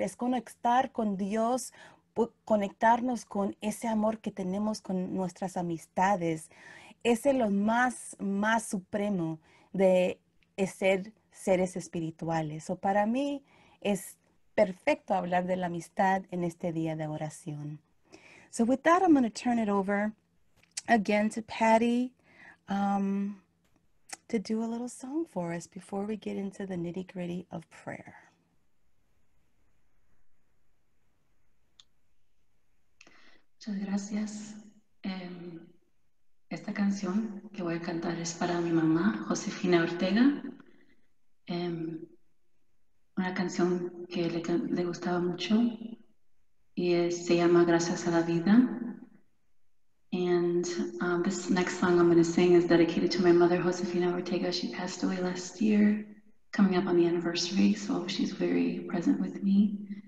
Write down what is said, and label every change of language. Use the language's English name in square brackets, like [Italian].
[Spanish] Es conectar con Dios, conectarnos con ese amor que tenemos con nuestras amistades. Ese es lo más, más supremo de ser seres espirituales. O para mí es perfecto hablar de la amistad en este día de oración. [English] So with that, I'm going to turn it over again to Patty to do a little song for us before we get into the nitty-gritty of prayer. [Spanish] Muchas gracias. Esta canción que voy a cantar es para mi mamá, Josefina Ortega. Una canción que le gustaba mucho y se llama Gracias a la Vida. [English] And this next song I'm going to sing is dedicated to my mother, Josefina Ortega. She passed away last year, coming up on the anniversary, so she's very present with me.